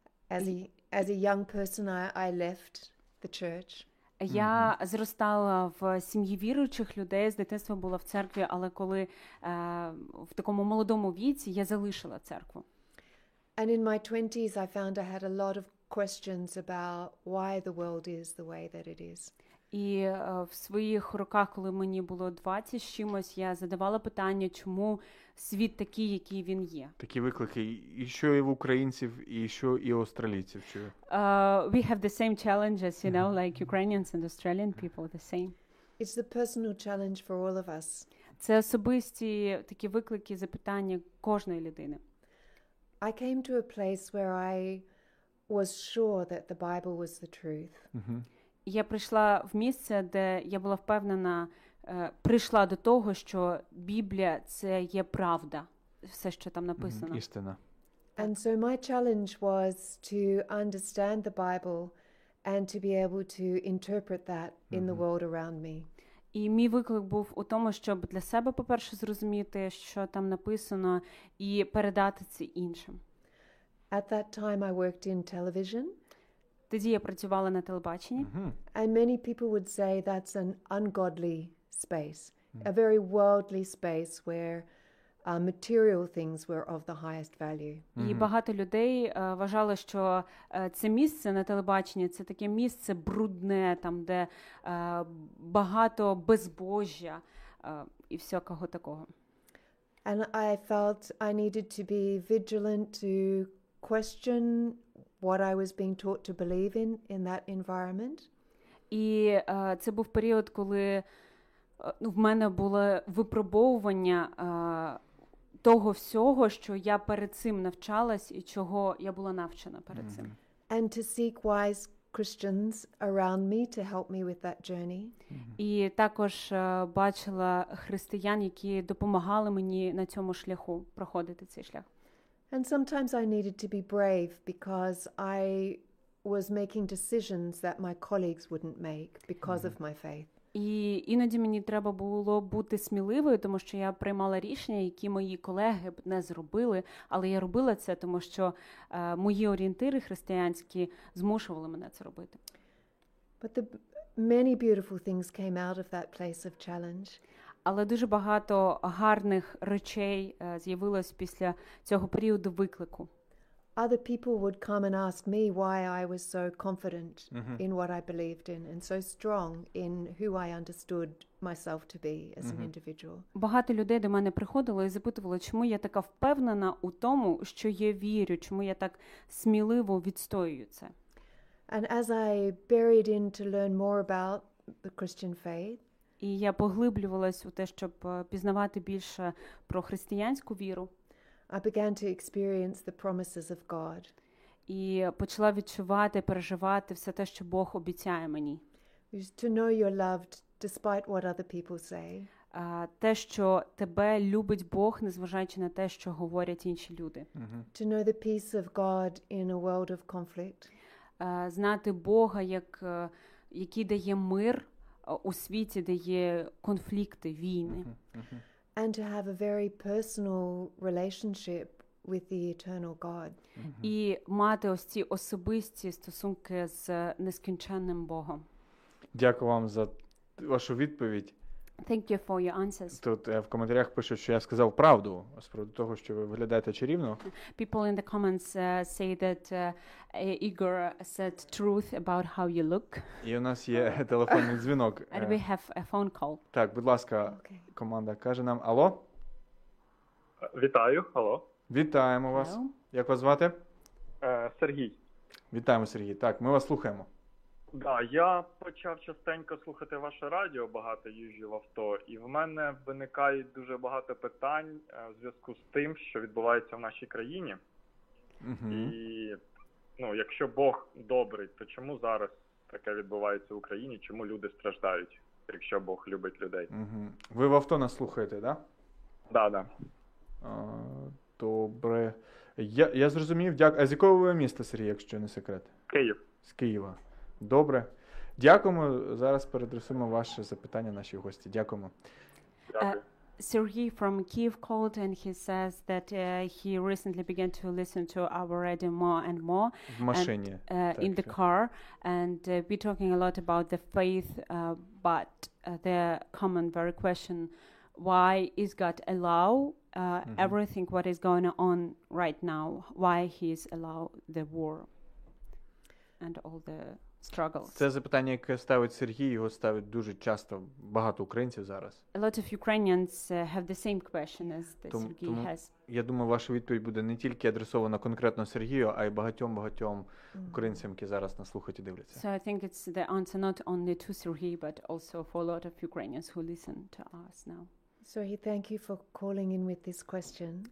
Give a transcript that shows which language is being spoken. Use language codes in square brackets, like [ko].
[en] As a young person, I left the church. [uk] Я зростала в сім'ї віруючих людей, з дитинства була в церкві, але коли в такому молодому віці я залишила церкву. [en] And in my 20s, I found I had a lot of questions about why the world is the way that it is. [uk] І в своїх роках, коли мені було 20 чимось, я задавала питання, чому світ такий, який він є. Такі виклики і що і в українців, і що і в австралійців. [en] We have the same challenges, you know, like Ukrainians and Australian people, the same. It's the personal challenge for all of us. [uk] Це особисті такі виклики, запитання кожної людини. [en] I came to a place where I was sure that the Bible was the truth. [uk] Я прийшла в місце, де я була впевнена, прийшла до того, що Біблія – це є правда, все, що там написано. Істина. [en] And so my challenge was to understand the Bible and to be able to interpret that in the world around me. [uk] І мій виклик був у тому, щоб для себе, по-перше, зрозуміти, що там написано, і передати це іншим. [en] At that time I worked in television. [uk] Тоді я працювала на телебаченні. [en] And many people would say that's an ungodly space, a very worldly space where material things were of the highest value. [uk] І багато людей вважало, що це місце на телебаченні це таке місце брудне, там де багато безбожжя і всякого такого. [en] And I felt I needed to be vigilant to question what I was being taught to believe in that environment. [uk] І це був період, коли в мене було випробовування того всього, що я перед цим навчалась і чого я була навчена перед цим. [en] And to seek wise Christians around me to help me with that journey. [uk] І також бачила християн, які допомагали мені на цьому шляху проходити цей шлях. [en] And sometimes I needed to be brave because I was making decisions that my colleagues wouldn't make because of my faith. [uk] І іноді мені треба було бути сміливою, тому що я приймала рішення, які мої колеги б не зробили, але я робила це, тому що мої орієнтири християнські змушували мене це робити. [en] But the Many beautiful things came out of that place of challenge. [uk] Але дуже багато гарних речей з'явилось після цього періоду виклику. [en] Other people would come and ask me why I was so confident in what I believed in and so strong in who I understood myself to be as an individual. [uk] Багато людей до мене приходило і запитували, чому я така впевнена у тому, що я вірю, чому я так сміливо відстоюю це. [en] And as I buried in to learn more about the Christian faith, [uk] і я поглиблювалась у те, щоб пізнавати більше про християнську віру, [en] I began to experience the promises of God. [uk] І почала відчувати, переживати все те, що Бог обіцяє мені. [en] To know you're loved despite what other people say. [uk] Те, що тебе любить Бог, незважаючи на те, що говорять інші люди. [en] To know the peace of God in a world of conflict. [uk] Знати Бога, як який дає мир у світі, де є конфлікти, війни. [en] And to have a very personal relationship with the eternal God. [uk] І мати ось ці особисті стосунки з нескінченним Богом. Дякую вам за вашу відповідь. [en] Thank you for your answers. [uk] Тут в коментарях пишуть, що я сказав правду з приводу того, що ви виглядаєте чарівно. [en] People in the comments say that Igor said truth about how you look. [uk] І у нас є телефонний дзвінок. [en] And we have a phone call. [uk] Так, будь ласка, команда каже нам алло. Вітаю, алло. Вітаємо вас. Hello. Як вас звати? Сергій. Вітаємо, Сергій. Так, ми вас слухаємо. Да, я почав частенько слухати ваше радіо, багато їжджу в авто, і в мене виникає дуже багато питань в зв'язку з тим, що відбувається в нашій країні. Угу. І, ну, якщо Бог добрий, то чому зараз таке відбувається в Україні, чому люди страждають, якщо Бог любить людей? Угу. Ви в авто нас слухаєте, да? Да. Добре. Я зрозумів, дякую. А з якого ви міста, Сергій, якщо не секрет? Київ. З Києва. Добре. Дякуємо. Зараз передрисуємо ваше запитання нашій гості. Дякуємо. [en] Сергій from Kyiv called and he says that he recently began to listen to our radio more and more. [uk] В машині. [en] And, in the car. And we're talking a lot about the faith, but the common very question, why is God allow everything what is going on right now? Why he's allow the war and all the struggles. [uk] Це запитання, яке ставить Сергій, його ставить дуже часто багато українців зараз. [en] A lot of Ukrainians have the same question as the Сергій has. [uk] Я думаю, ваша відповідь буде не тільки адресована конкретно Сергію, а й багатьом-багатьом українцям, які зараз нас слухають і дивляться. [en] So I think it's the answer not only to Сергій, but also for a lot of Ukrainians who listen to us now. So he thank you for calling in with this question.